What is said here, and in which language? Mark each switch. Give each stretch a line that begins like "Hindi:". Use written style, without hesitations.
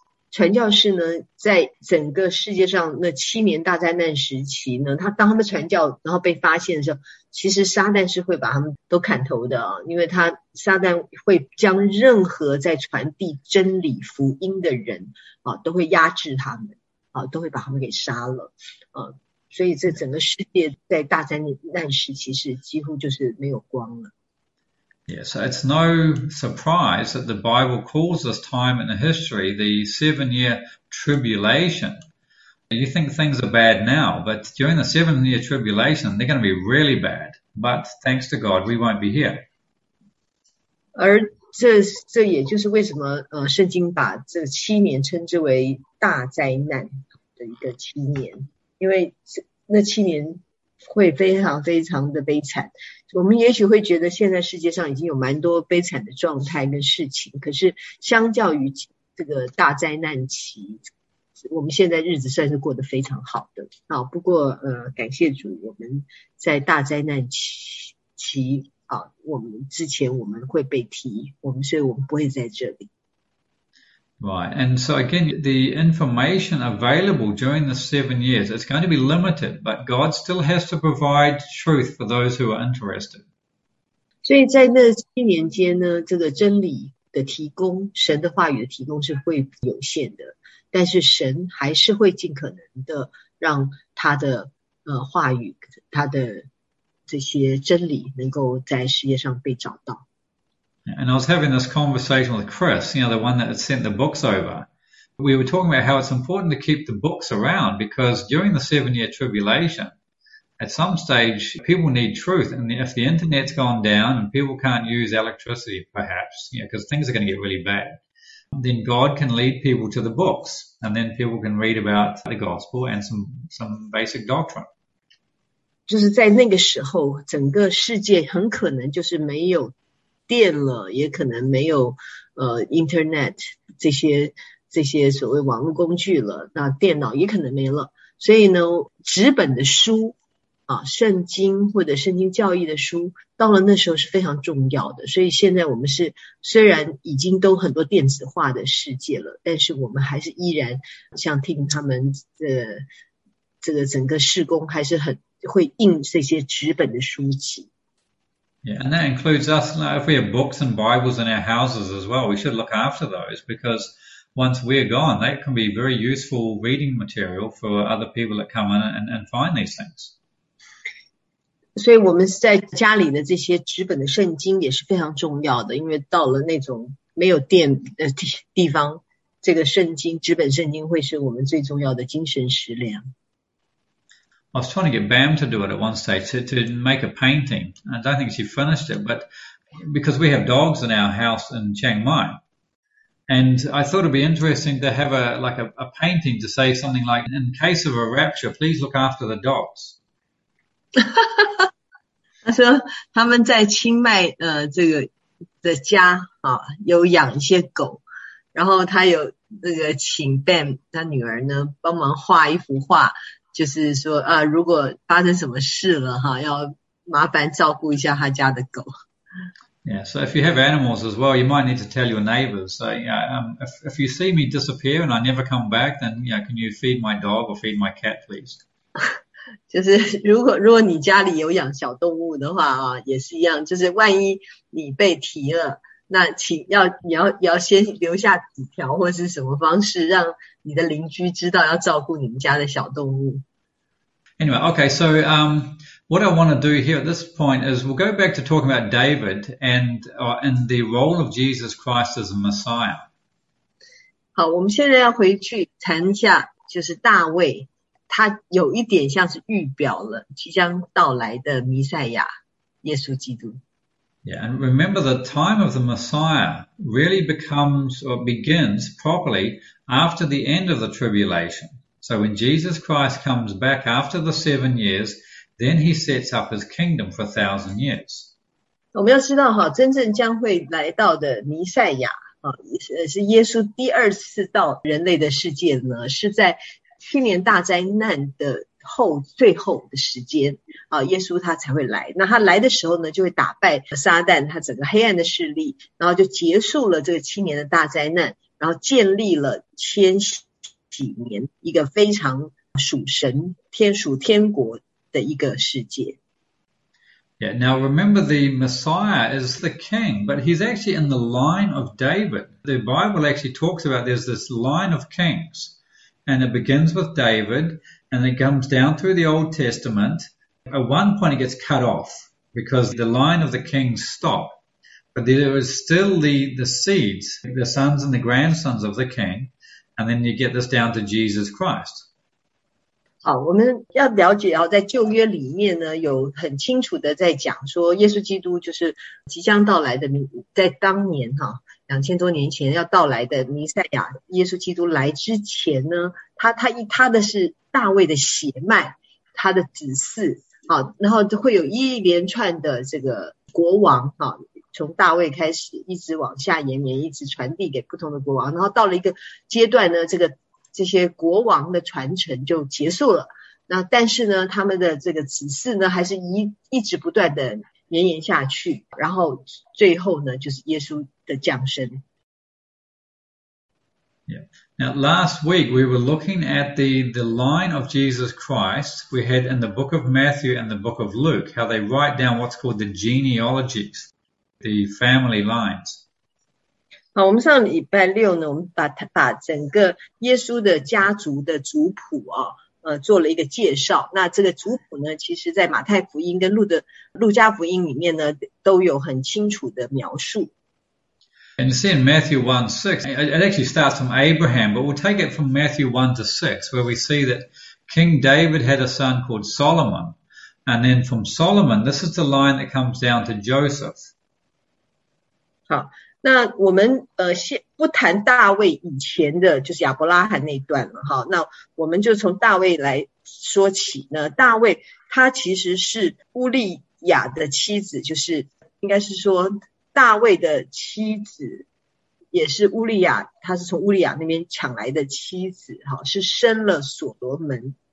Chinese: 传教士呢，在整个世界上那7年大灾难时期呢，他当他们传教，然后被发现的时候，其实撒旦是会把他们都砍头的啊，因为他撒旦会将任何在传递真理福音的人啊，都会压制他们啊，都会把他们给杀了啊，所以这整个世界在大灾难时期是几乎就是没有光了。
English: Yeah, so it's no surprise that the Bible calls this time in history the 7-year tribulation. You think things are bad now, but during the 7-year tribulation, they're going to be really bad. But thanks to God, we won't be here.
Chinese: 而这也就是为什么圣经把这7年称之为大灾难的一个7年，因为那7年会非常非常的悲惨。我们也许会觉得现在世界上已经有蛮多悲惨的状态跟事情，可是相较于这个大灾难期，我们现在日子算是过得非常好的。好，不过感谢主，我们在大灾难期啊，我们之前我们会被提，所以我们不会在这里。
English: Right, and so again, the information available during the 7 years, it's going to be limited, but God still has to provide truth for those who are interested.
Chinese: 所以在那7年间呢，这个真理的提供，神的话语的提供是会有限的，但是神还是会尽可能的让他的话语，他的这些真理能够在世界上被找到。
English: And I was having this conversation with Chris, you know, the one that had sent the books over. We were talking about how it's important to keep the books around because during the 7-year tribulation, at some stage, people need truth. And if the internet's gone down and people can't use electricity, perhaps, you know, because things are going to get really bad, then God can lead people to the books. And then people can read about the gospel and some basic doctrine.
Chinese: 就是在那个时候，整个世界很可能就是没有电了，也可能没有internet 这些所谓网络工具了，那电脑也可能没了，所以呢纸本的书啊，圣经或者圣经教义的书到了那时候是非常重要的。所以现在我们是虽然已经都很多电子化的世界了，但是我们还是依然像听他们的这个整个事工还是很会印这些纸本的书籍。
English: Yeah, and that includes us. Now, if we have books and Bibles in our houses as well, we should look after those because once we're gone, that can be very useful reading material for other people that come in and find these things.
Chinese: 所以我们在家里的这些纸本的圣经也是非常重要的，因为到了那种没有电的地方，这个圣经，纸本圣经会是我们最重要的精神食粮。
English: I was trying to get Bam to do it at one stage, to make a painting. I don't think she finished it, but because we have dogs in our house in Chiang Mai. And I thought it'd be interesting to have a painting to say something like, in case of a rapture, please look after the dogs.
Chinese: 他说他们在清迈这个的家啊，有养一些狗，然后他有那个请 Bam 他女儿呢帮忙画一幅画，就是说啊，如果发生什么事了哈，要麻烦照顾一下他家的狗。
English: Yeah, so if you have animals as well, you might need to tell your neighbors. So yeah, if you see me disappear and I never come back, then yeah, can you feed my dog or feed my cat, please?
Chinese: 就是如果你家里有养小动物的话啊，也是一样，就是万一你被提了，那请要你要先留下几条或是什么方式让你的邻居知道要照顾你们家的小动物。
English: Anyway, okay, so What I want to do here at this point is we'll go back to talking about David and the role of Jesus Christ as a Messiah.
Chinese: 好，我们现在要回去谈一下，就是大卫，他有一点像是预表了即将到来的弥赛亚，耶稣基督。
English: Yeah, and remember the time of the Messiah really becomes or begins properly after the end of the tribulation. So when Jesus Christ comes back after the 7 years, then he sets up his kingdom for 1,000 years.
Chinese: 我们要知道哈，真正将会来到的弥赛亚。是耶稣第二次到人类的世界呢，是在去年大灾难的后最后的时间啊，耶稣他才会来。那他来的时候呢，就会打败撒旦他整个黑暗的势力，然后就结束了这个七年的大灾难，然后建立了千禧年一个非常属神天属天国的一个世界。
English: Yeah, now remember the Messiah is the king, but he's actually in the line of David. The Bible actually talks about there's this line of kings, and it begins with David, and it comes down through the Old Testament. At one point it gets cut off, because the line of the kings stop. But there is still the seeds, the sons and the grandsons of the king, and then you get this down to Jesus Christ.
Chinese: 好，我们要了解，然后在旧约里面呢，有很清楚的在讲说，耶稣基督就是即将到来的，在当年哈两千多年前要到来的弥赛亚。耶稣基督来之前呢，他的是大卫的血脉，他的子嗣，好，然后会有一连串的这个国王哈。从大卫开始，一直往下延绵，一直传递给不同的国王，然后到了一个阶段呢，这些国王的传承就结束了，那但是呢，他们的这个子嗣呢，还是一直不断的绵延下去，然后最后呢，就是耶稣的降生。
English: Yeah. Now, last week we were looking at the line of Jesus Christ. We had in the book of Matthew and the book of Luke how they write down what's called the genealogies, the family lines.
Chinese: 好，我们上礼拜六呢，我们把整个耶稣的家族的族谱啊，做了一个介绍。那这个族谱呢，其实在马太福音跟路加福音里面呢，都有很清楚的描述。
English: And you see in Matthew 1:6, it actually starts from Abraham, but we'll take it from Matthew 1:6, where we see that King David had a son called Solomon. And then from Solomon, this is the line that comes down to Joseph.
Chinese: 好。那我们先不谈大卫以前的，就是亚伯拉罕那段了哈。那我们就从大卫来说起呢。大卫他其实是乌利亚的妻子，就是应该是说大卫的妻子也是乌利亚，他是从乌利亚那边抢来的妻子哈，是生了所罗门。